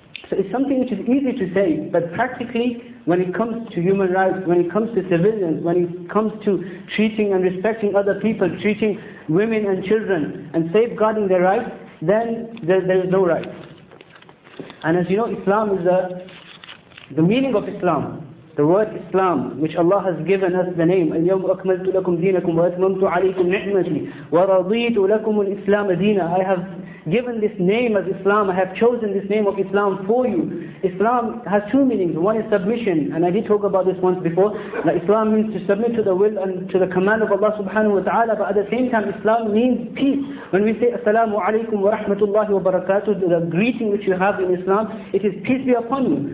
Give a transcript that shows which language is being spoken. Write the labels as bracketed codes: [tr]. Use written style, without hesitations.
[en] So it's something which is easy to say, but practically, when it comes to human rights, when it comes to civilians, when it comes to treating and respecting other people, treating women and children, and safeguarding their rights, then there is no right. And as you know, Islam is the meaning of Islam. The word Islam, which Allah has given us the name, [ar] الْيَوْمُ أَكْمَلْتُ لَكُمْ دِينَكُمْ وَأَتْمَمْتُ عَلَيْكُمْ نِعْمَتِي وَرَضِيتُ لَكُمُ الْإِسْلَامَ دِينًا. [en] I have given this name as Islam, I have chosen this name of Islam for you. Islam has two meanings. One is submission, and I did talk about this once before, that Islam means to submit to the will and to the command of Allah subhanahu wa ta'ala, but at the same time Islam means peace. When we say Assalamu alaikum wa rahmatullahi wa barakatuh, the greeting which you have in Islam, it is peace be upon you.